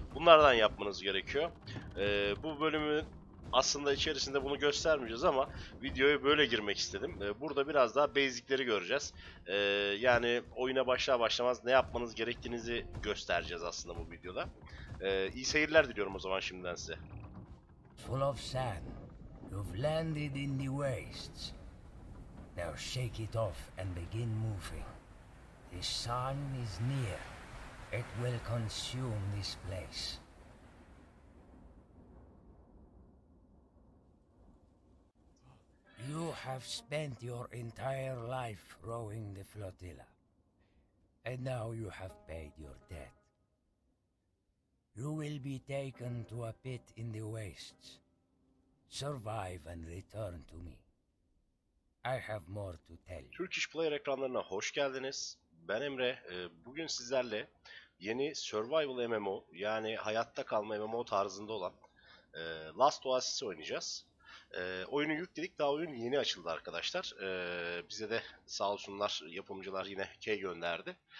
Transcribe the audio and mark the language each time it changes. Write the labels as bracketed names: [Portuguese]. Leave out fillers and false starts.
[Turkish] Bunlardan yapmanız gerekiyor. Bu bölümün aslında içerisinde bunu göstermeyeceğiz ama videoya böyle girmek istedim. Burada biraz daha basicleri göreceğiz. Yani oyuna başlar başlamaz ne yapmanız gerektiğinizi göstereceğiz aslında bu videoda. İyi seyirler diliyorum o zaman şimdiden size. [English] Full of sand, you've landed in the wastes. Now shake it off and begin moving. The sun is near. It will consume this place. You have spent your entire life rowing the flotilla. And now you have paid your debt. You will be taken to a pit in the wastes. Survive and return to me. I have more to tell you. [Turkish] Turkish Player ekranlarına hoş geldiniz. Ben Emre. Bugün sizlerle yeni Survival MMO, yani hayatta kalma MMO tarzında olan Last Oasis'i oynayacağız. Oyunu yükledik. Daha oyun yeni açıldı arkadaşlar. Bize de sağ olsunlar yapımcılar yine key gönderdi.